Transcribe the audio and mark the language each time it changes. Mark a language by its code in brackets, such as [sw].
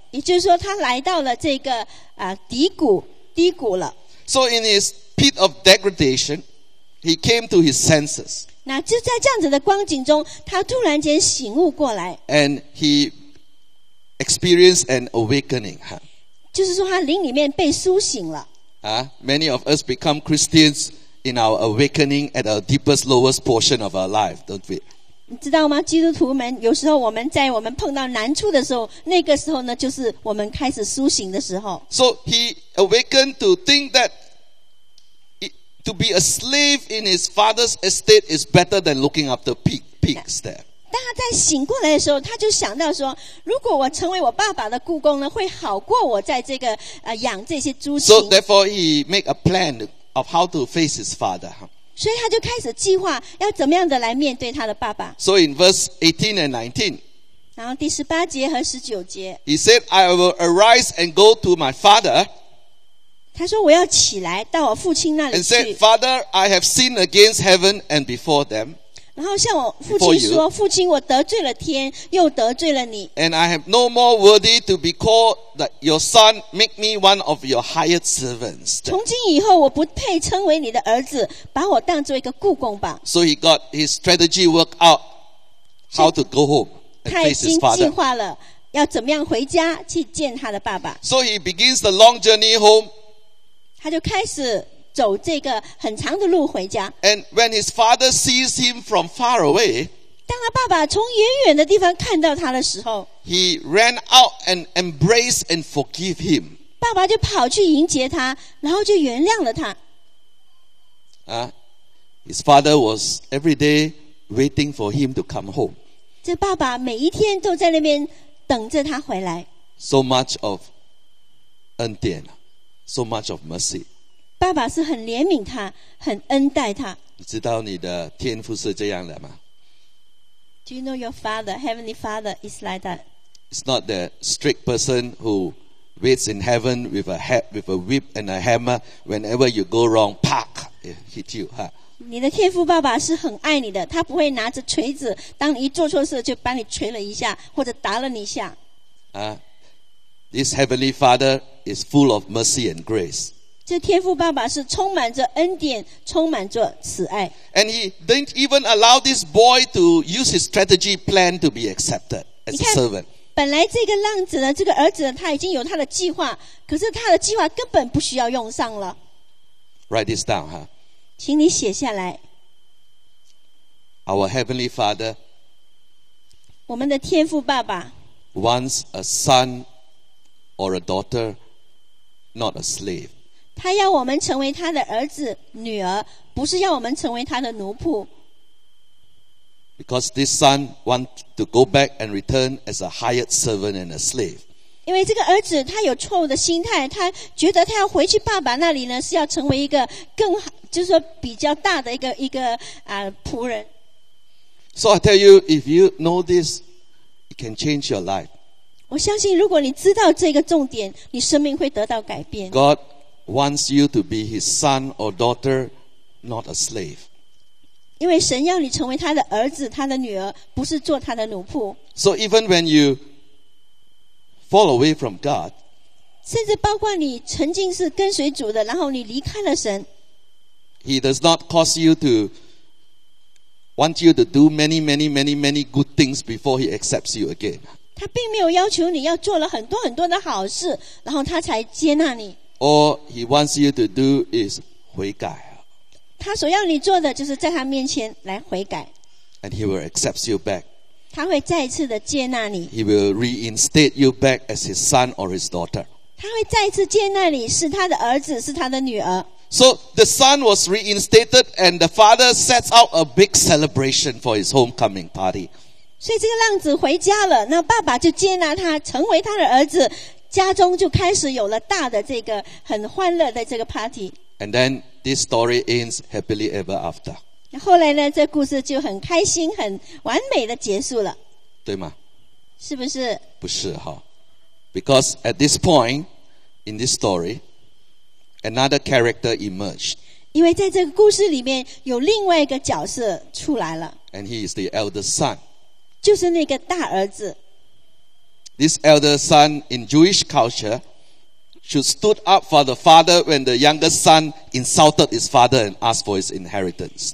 [zh] 也就是说他来到了这个低谷了。 [en] So in his pit of degradation, he came to his senses. [zh] 那就在这样子的光景中，他突然间醒悟过来。 [en] And he experienced an awakening. [zh] 就是说他灵里面被苏醒了。 [en] Many of us become Christians in our awakening at our deepest, lowest portion of our life, don't we? [zh] 你知道吗？基督徒们，有时候我们在我们碰到难处的时候，那个时候呢，就是我们开始苏醒的时候。 [en] So he awakened to think that to be a slave in his father's estate is better than looking after pigs there. [zh] 当他在醒过来的时候，他就想到说，如果我成为我爸爸的雇工呢，会好过我在这个养这些猪群。 [en] So therefore he made a plan of how to face his father. [zh] 所以他就开始计划要怎么样的来面对他的爸爸。 [en] So in verse 18 and 19, [zh] 然后第十八节和十九节 [en] he said, I will arise and go to my father. [zh] 他说我要起来到我父亲那里去。 [en] And said, Father, I have sinned against heaven and before them. [zh] 然后向我父亲说，父亲，我得罪了天，又得罪了你。 [en] And I am no more worthy to be called your son. Make me one of your hired servants. [zh] 从今以后，我不配称为你的儿子，把我当做一个雇工吧。 [en] So he got his strategy worked out, how to go home and face his father. [zh] 他已经计划了要怎么样回家去见他的爸爸。 [en] So he begins the long journey home. [zh] 他就开始走这个很长的路回家。 [en] And when his father sees him from far away, [zh] 当他爸爸从远远的地方看到他的时候， [en] he ran out and embraced and forgive him. [zh] 爸爸就跑去迎接他，然后就原谅了他。 [en] His father was every day waiting for him to come home. [zh] 这爸爸每一天都在那边等着他回来。 [en] So much of 恩典 ，so much of mercy。 [zh] 爸爸是很怜悯他，很恩待他。你知道你的天父是这样的吗 [en] ？Do you know your father, heavenly father is like that? It's not the strict person who waits in heaven with a whip and a hammer. Whenever you go wrong, pack hit you, huh? [zh] 你的天父爸爸是很爱你的，他不会拿着锤子，当你一做错事就把你锤了一下，或者打了你一下。 [en] This heavenly Father is full of mercy and grace. [zh] 这天父爸爸是充满着恩典，充满着慈爱。 [en] And he didn't even allow this boy to use his strategy plan to be accepted as a servant. [zh] 本来这个浪子呢，这个儿子呢，他已经有他的计划，可是他的计划根本不需要用上了。 [en] Write this down, huh? [zh] 请你写下来。 [en] Our heavenly Father, [zh] 我们的天父爸爸 [en] wants a son or a daughter, not a slave. [zh] 他要我们成为他的儿子、女儿，不是要我们成为他的奴仆。 [en] Because this son wants to go back and return as a hired servant and a slave. [zh] 因为这个儿子他有错误的心态，他觉得他要回去爸爸那里呢，是要成为一个更就是说比较大的一个仆人。 [en] So I tell you, if you know this, it can change your life. [zh] 我相信如果你知道这个重点，你生命会得到改变。 [en] God wants you to be His son or daughter, not a slave. [zh] 因为神要你成为他的儿子、他的女儿，不是做他的奴仆。 [en] So even when you fall away from God, [zh] 甚至包括你曾经是跟随主的，然后你离开了神。 [en] He does not cause you to want you to do many, many, many, many good things before He accepts you again. [zh] 他并没有要求你要做了很多很多的好事，然后他才接纳你。 [en] All He wants you to do is 悔改。 [zh] 他所要你做的就是在他面前来悔改。 [en] And He will accept you back. [zh] 他会再一次的接纳你。 [en] He will reinstate you back as his son or his daughter. [zh] 他会再一次接纳你，是他的儿子，是他的女儿。 [en] So the son was reinstated, and the father sets out a big celebration for his homecoming party. [zh] 所以这个浪子回家了，那爸爸就接纳他，成为他的儿子，家中就开始有了大的这个很欢乐的这个 party. [en] And then this story ends happily ever after. [zh] 后来呢，这故事就很开心、很完美的结束了，对吗？是不是？不是哈 [en] ，because at this point in this story, another character emerged. [zh] 因为在这个故事里面有另外一个角色出来了 [en] ，and he is the elder son. [zh] 就是那个大儿子。 [en] This elder son in Jewish culture should stood up for the father when the younger son insulted his father and asked for his inheritance.